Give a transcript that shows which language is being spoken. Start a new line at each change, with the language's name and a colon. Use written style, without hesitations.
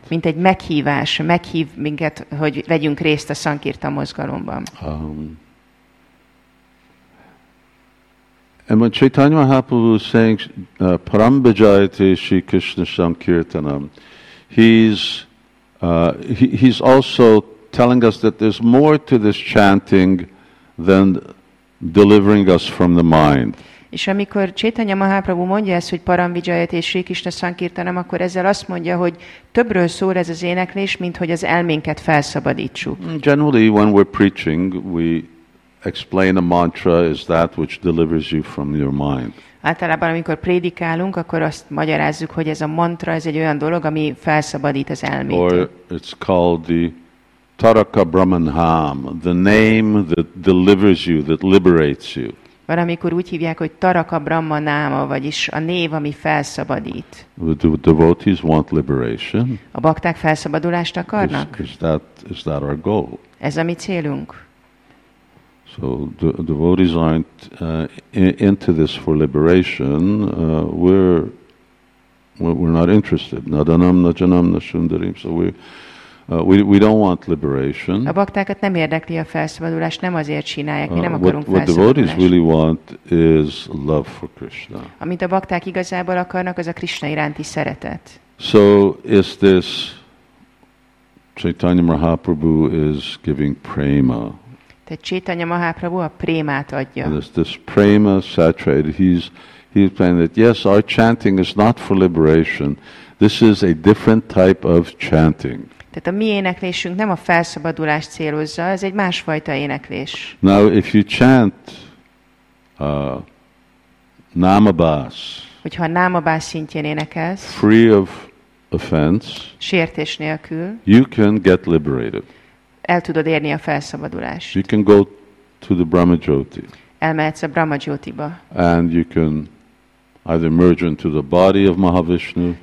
Hungarian: Mint egy meghívás, meghív minket, hogy vegyünk részt a Sankirtan mozgalomban.
English: And when Chaitanya Mahaprabhu was saying Parambajayate Sri Krishna Sankirtanam, he's also telling us that there's more to this chanting than delivering us from the mind.
Hungarian: És amikor Chaitanya Mahaprabhu mondja ezt, hogy Parambijayate és Sri Krishna Sankirtanam, akkor ezzel azt mondja, hogy többről szól ez az éneklés, mint hogy az elménket felszabadítsuk.
English: Generally, when we're preaching, we explain a mantra is that which delivers you from your mind.
Hungarian: Általában, amikor prédikálunk, akkor azt magyarázzuk, hogy ez a mantra, ez egy olyan dolog, ami felszabadít az elmét.
English: Or it's called the Taraka Brahmanham, the name that delivers you, that liberates you.
Hungarian: Valamikor úgy hívják, hogy Taraka Brahmanáma, vagyis a név, ami felszabadít.
English: Do devotees want liberation?
Hungarian: A bakták felszabadulást akarnak?
English: Is that our goal?
Hungarian: Ez a mi célunk.
English: So the devotees aren't into this for liberation. We're not interested.
Sanskrit: Nadanam, najanam, nasundarim.
English: So we don't want liberation.
Hungarian: A baktákat nem érdekli a felszabadulás, nem azért csinálják, mi nem akarunk felszabadulást.
English: What devotees really want is love for Krishna.
Hungarian: Amit a bakták igazából akarnak, az a Krishna iránti szeretet.
English: So is this Chaitanya Mahaprabhu is giving prema.
Hungarian: Tehát Chaitanya Mahaprabhu a prémát adja.
English: And is this prema saturated? He's saying that yes, our chanting is not for liberation. This is a different type of chanting.
Hungarian: Tehát a mi éneklésünk nem a felszabadulást célozza, ez egy másfajta éneklés.
English: Now, if you chant Namabás,
Hungarian: hogyha a Namabás szintjén énekelsz,
English: free of offense,
Hungarian: sértés nélkül,
English: you can get liberated.
Hungarian: El tudod érni a felszabadulást.
English: You can go to the Brahmajyoti.
Hungarian: Elmehetsz a Brahmajyotiba.
English: And you can either merge into the body of Mahavishnu.